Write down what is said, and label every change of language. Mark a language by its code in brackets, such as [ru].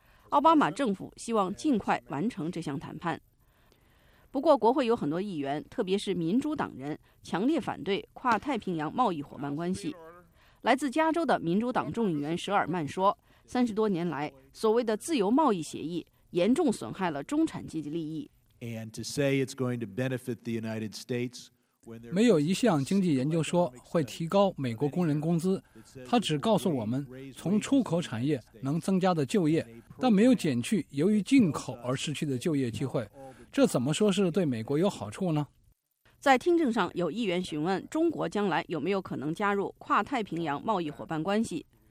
[zh] 奥巴马政府希望尽快完成这项谈判。不过国会有很多议员，特别是民主党人，强烈反对跨太平洋贸易伙伴关系。来自加州的民主党众议员舍尔曼说，30多年来所谓的自由贸易协议严重损害了中产阶级利益。 [en] And to say it's going to benefit the United States， [zh] 没有一项经济研究说会提高美国工人工资，它只告诉我们从出口产业能增加的就业，但没有减去由于进口而失去的就业机会，这怎么说是对美国有好处呢？在听证上，有议员询问中国将来有没有可能加入跨太平洋贸易伙伴关系。